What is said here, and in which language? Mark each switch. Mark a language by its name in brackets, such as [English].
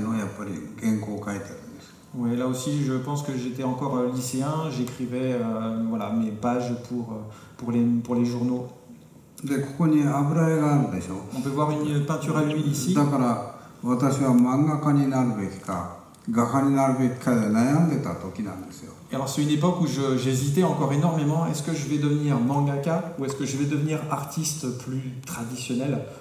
[Japanese] これもそうですね。これはまだ高校生の時に、新聞連載のやっぱり原稿を書いてるんです。 [French] Oui, là aussi, je pense que j'étais encore lycéen, j'écrivais voilà, mes pages pour les journaux. [Japanese] で、ここに油絵があるでしょ。 [French] On peut voir une peinture à l'huile ici. [Japanese] だから私は漫画家になるべきか、画家になるべきかで悩んでた時なんですよ。 [French] Alors c'est une époque où j'hésitais encore énormément, est-ce que je vais devenir mangaka ou est-ce que je vais devenir artiste plus traditionnel?